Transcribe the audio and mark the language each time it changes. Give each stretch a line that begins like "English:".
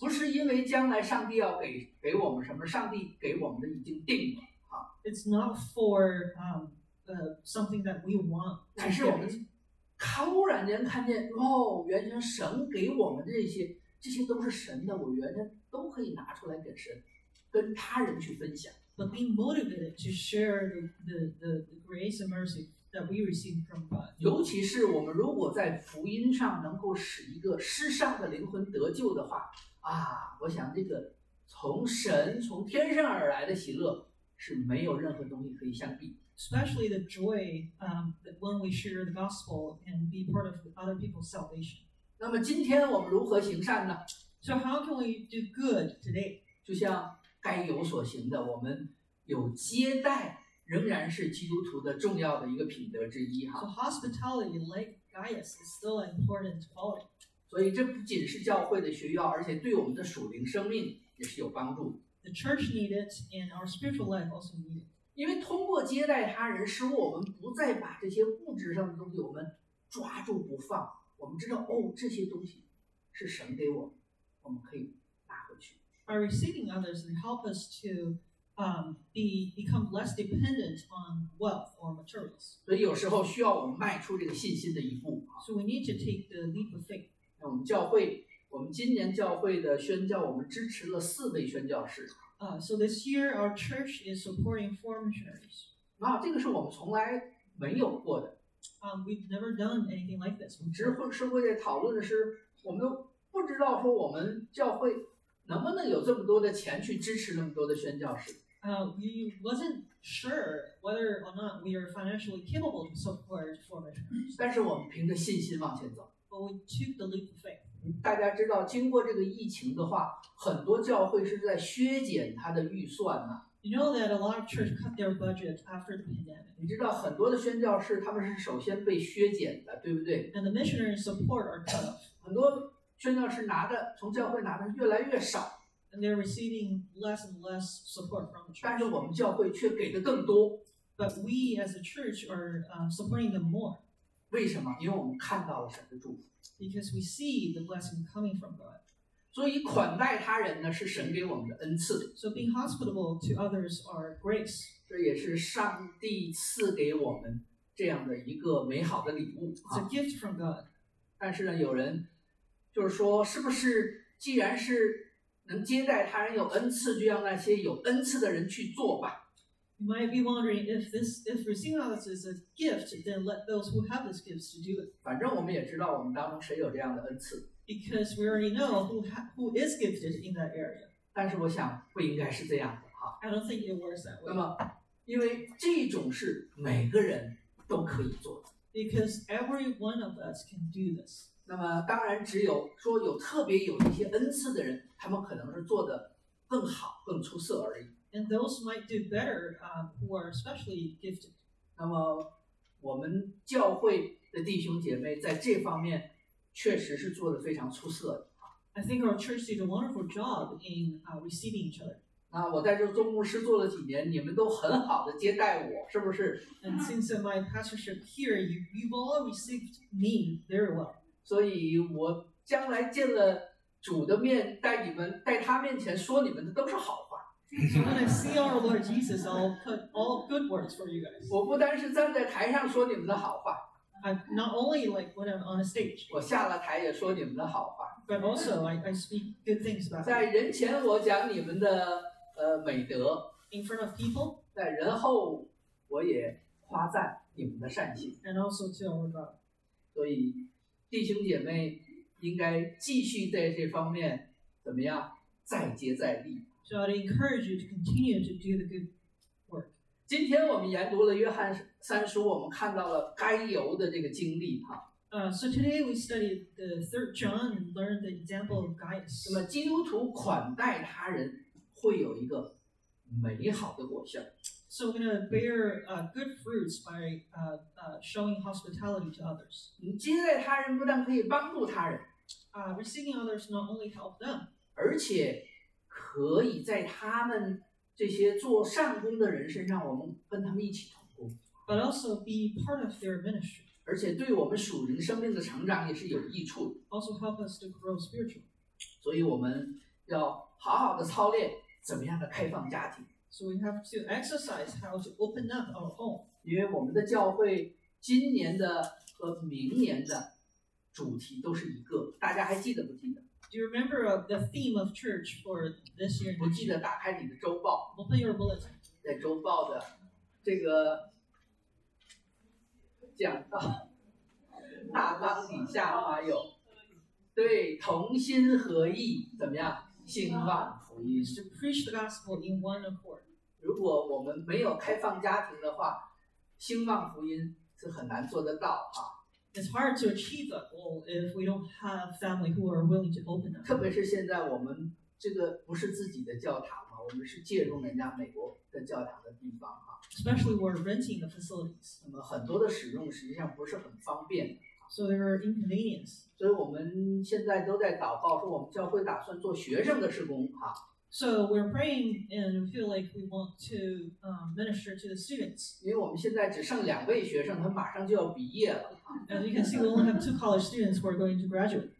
Chinese: 不是因为将来上帝要给我们什么，上帝给我们的已经定了啊。
English: It's not for something that we want.
Chinese: 乃是我们突然间看见，哦，原先神给我们的这些都是神的，我原先都可以拿出来给神，跟他人去分享。
English: But being motivated to share the grace and mercy. That we receive from God.
Chinese: 尤其是我们如果在福音上能够使一个失丧的灵魂得救的话，啊，我想这个从神从天上而来的喜乐是没有任何东西可以相比。
English: Especially the joy, that when we share the gospel and be part of other people's salvation.
Chinese: 那么今天我们如何行善呢
English: ？So how can we do good today?
Chinese: 就像该有所行的，我们有接待。仍然是基督徒的重要的一个品德之一哈。
English: So hospitality, like Gaius, is still an important quality.
Chinese: 所以这不仅是教会的需要，而且对我们的属灵生命也是有帮助。
English: The church needs it, and our spiritual life also needs it.
Chinese: 因为通过接待他人，使我们不再把这些物质上的东西我们抓住不放。我们知道，哦，这些东西是神给我们，我们可以拿回去。
English: By receiving others, they help us to. Become less dependent on wealth or materials.
Chinese: 所以有时候需要我们迈出这个信心的一步。
English: So we need to take the leap of faith.
Chinese: 那我们教会，我们今年教会的宣教，我们支持了四位宣教士。
English: So this year our church is supporting four missionaries.
Chinese: 那这个是我们从来没有过的。
English: We've never done anything like this.
Chinese: 我们社会在讨论的是，我们都不知道说我们教会。能不能有这么多的钱去支持那么多的宣教士？
English: We wasn't sure whether or not we are financially capable to support four missionaries.
Chinese: 但是我们凭着信心往前走。
English: But we took the leap of faith.
Chinese: 大家知道，经过这个疫情的话，很多教会是在削减它的预算呢。
English: You know that a lot of churches cut their budget after the pandemic.
Chinese: 你知道很多的宣教士他们是首先被削减的，对不对
English: ？And the missionary support are cut.
Chinese: 很多。宣教士拿的从教会拿的越来越少
English: and they're receiving less and less support from the church.
Chinese: 但是我们教会却给的更多
English: but we as a church are supporting them more.
Chinese: 为什么？因为我们看到了神的祝福
English: because we see the blessing coming from God.
Chinese: 所以款待他人呢是神给我们的恩赐
English: so being hospitable to others are grace.
Chinese: 这也是上帝赐给我们这样的一个美好的礼物
English: it's a gift from God.
Chinese: 但是呢有人就是说，是不是既然是能接待他人有恩赐，就让那些有恩赐的人去做吧
English: ？You might be wondering if receiving others is a gift, then let those who have these gifts to do it.
Chinese: 反正我们也知道我们当中谁有这样的恩赐。
English: Because we already know who is gifted in that area.
Chinese: 但是我想不应该是这样的哈。
English: I don't think it works that way.
Chinese: 那么，因为这种是每个人都可以做的。
English: Because every one of us can do this.
Chinese: 那么当然只有说有特别有一些恩赐的人他们可能是做得更好更出色而已。
English: And those might do better, who are especially gifted.
Chinese: 那么我们教会的弟兄姐妹在这方面确实是做得非常出色的。
English: I think our church did a wonderful job in receiving each other.
Chinese: 那我在这做牧师做了几年你们都很好的接待我是不是
English: And since my pastorship here, you've all received me very well.
Chinese: 所以我将来见了主的面带你们带他面前说你们的都是好话
English: So when I see our Lord Jesus I'll put all good words for you guys
Chinese: 我不单是站在台上说你们的好话
English: I'm not only like when I'm on a stage
Chinese: 我下了台也说你们的好话
English: But also I speak good things about
Chinese: 在人前我讲你们的美德
English: In front of people
Chinese: 在人后我也夸赞你们的善行。
English: And also to our God.
Chinese: 所以弟兄姐妹应该继续在这方面怎么样再接再厉。
English: So I'd encourage you to continue to do the good work.
Chinese: 今天我们研读了约翰三书，我们看到了该犹的这个经历哈。
English: So today we studied the third John and learned the example of Gaius.
Chinese: 那么基督徒款待他人会有一个美好的果效。
English: So we're going to bear good fruits by showing hospitality to others.
Chinese: 接待他人不但可以帮助他人。
English: Receiving others not only help them.
Chinese: 而且可以在他们这些做善工的人身上我们跟他们一起同工。
English: But also be part of their ministry.
Chinese: 而且对我们属灵生命的成长也是有益处。
English: Also help us to grow spiritually.
Chinese: 所以我们要好好的操练怎么样的开放家庭。
English: So we have to exercise how to open up our home.
Chinese: 因为我们的教会今年的和明年的主题都是一个，大家还记得不记得？
English: Do you remember the theme of church for this year?
Chinese: 不记得，打开你的周报。
English: Open your bulletin.
Chinese: 在周报的这个讲到大纲底下还有，对，同心合意，怎么样？兴旺福音。
English: Is to preach the gospel in one accord.
Chinese: 如果我们没有开放家庭的话，兴旺福音是很难做得到啊。
English: It's hard to achieve that goal if we don't have family who are willing to open up.
Chinese: 特别是现在我们这个不是自己的教堂嘛，我们是借用人家美国的教堂的地方啊。
English: Especially we're renting the facilities.
Chinese: 那么很多的使用实际上不是很方便的。
English: So there are inconvenience.
Chinese: 所以我们现在都在祷告，说我们教会打算做学生的事工啊。
English: So we're praying and feel like we want to minister to the students.
Chinese: 因为我们现在只剩两位学生，他马上就要毕业了。
English: As you can see, we only have two college students who are going to graduate.